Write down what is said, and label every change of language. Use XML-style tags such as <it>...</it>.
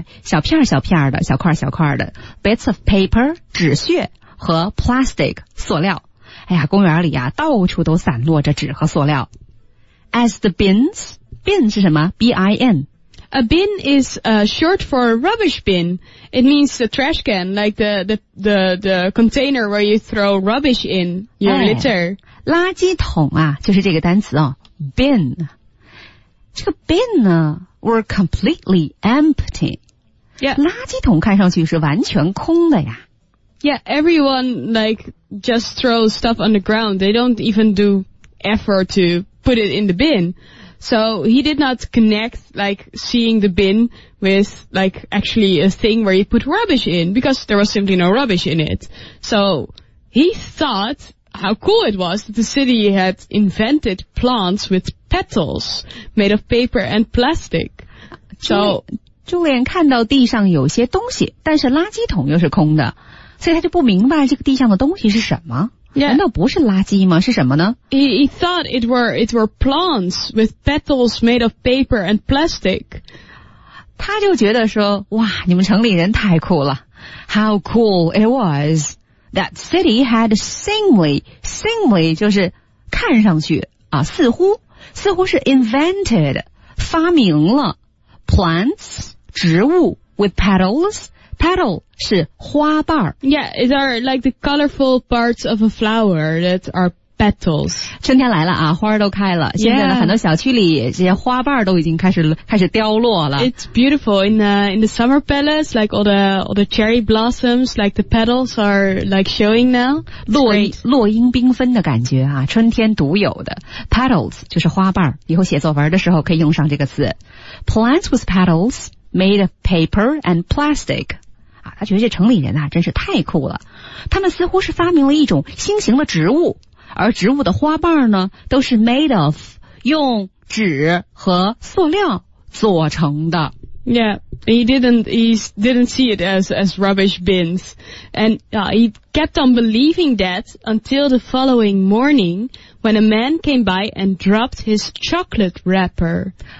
<zh>小片小片的小块小块的</zh> <en>bits of paper</en> <zh>纸屑和 plastic 塑料，哎呀，公园里啊，到处都散落着纸和塑料。</zh> <en>As the bins</en> <zh>是什么</zh> <en>？B-I-N。 A bin is short for a rubbish bin. It means the trash can, like the container where you throw rubbish in your litter.、</en> <zh>哎、垃圾桶啊，就是这个单词哦 ，bin。这个 bin 呢</zh> <en>，were completely empty. Yeah，</en> <zh>垃圾桶看上去是完全空的呀。</zh> <en>Yeah, everyone, like, just throws stuff on the ground. They don't even do effort to put it in the bin. So he did not connect, like, seeing the bin with, like, actually a thing where you put rubbish in, because there was simply no rubbish in it. So he thought how cool it was that the city had invented plants with petals made of paper and plastic. So,</en> <zh>Julian 看到地上有些东西,但是垃圾桶又是空的。所以他就不明白这个地上的东西是什么、</zh> <en>yeah.</en> <zh>难道不是垃圾吗是什么呢</zh> <en>he thought it were plants with petals made of paper and plastic</en> <zh>他就觉得说哇你们城里人太酷了</zh> <en>How cool it was that city had seemingly</en> <zh>就是看上去啊，似乎是 invented 发明了 plants 植物</zh> <en>with petals</en> <zh>petal是花瓣</zh> <en>Yeah, it are like the colorful parts of a flower that are petals.</en> <zh>春天来了啊，花都开了。现在呢，很多小区里这些花瓣都已经开始凋落了。</zh> <en>It's beautiful in the summer palace, like all the cherry blossoms, like the petals are like showing now.</en> <zh>落英缤纷的感觉啊，春天独有的 petals 就是花瓣。以后写作文的时候可以用上这个词。</zh> <en>Plants with petals made of paper and plastic.</en> <zh>他觉得这城里人啊真是太酷了，他们似乎是发明了一种新型的植物，而植物的花瓣呢都是</zh> <en>made of</en> <zh>用纸和塑料做成的。</zh> <en>Yeah, he didn't see it as rubbish bins, and he kept on believing that until the following morning when a man came by and dropped his chocolate wrapper.</en>